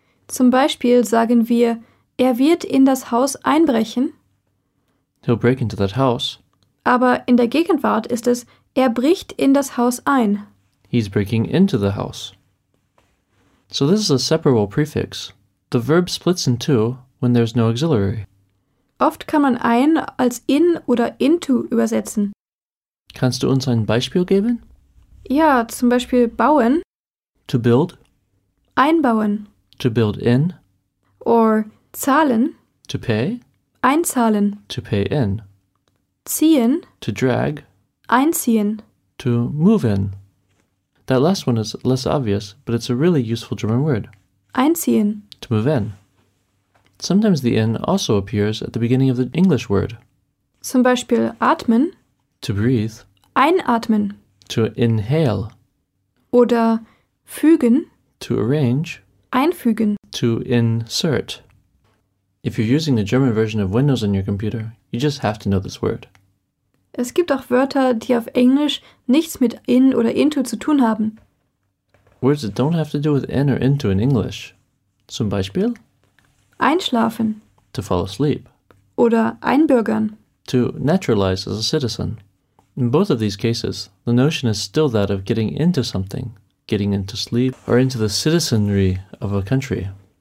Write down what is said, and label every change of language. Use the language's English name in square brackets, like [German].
[German] Zum Beispiel sagen wir, wird in das Haus einbrechen. [English] He'll break into that house. [German] Aber in der Gegenwart ist es, bricht in das Haus ein. [English] He's breaking into the house. So this is a separable prefix. The verb splits in two when there's no auxiliary. [German] Oft kann man ein als in oder into übersetzen. Kannst du uns ein Beispiel geben? Ja, zum Beispiel bauen. [English] To build. [German] Einbauen. [English] To build in. Or zahlen. To pay. [German] Einzahlen. [English] To pay in. [German] Ziehen. [English] To drag. [German] Einziehen. [English] To move in. That last one is less obvious, but it's a really useful German word. [German] Einziehen. [English] To move in. Sometimes the in also appears at the beginning of the English word. [German] Zum Beispiel atmen. [English] To breathe. [German] Einatmen. [English] To inhale. [German] Oder fügen. [English] To arrange. [German] Einfügen. [English] To insert. If you're using the German version of Windows on your computer, you just have to know this word. [German] Es gibt auch Wörter, die auf Englisch nichts mit in oder into zu tun haben. [English] Words that don't have to do with in or into in English. [German] Zum Beispiel? Einschlafen. [English] To fall asleep. [German] Oder einbürgern. [English] To naturalize as a citizen. In both of these cases, the notion is still that of getting into something, getting into sleep, or into the citizenry of a country.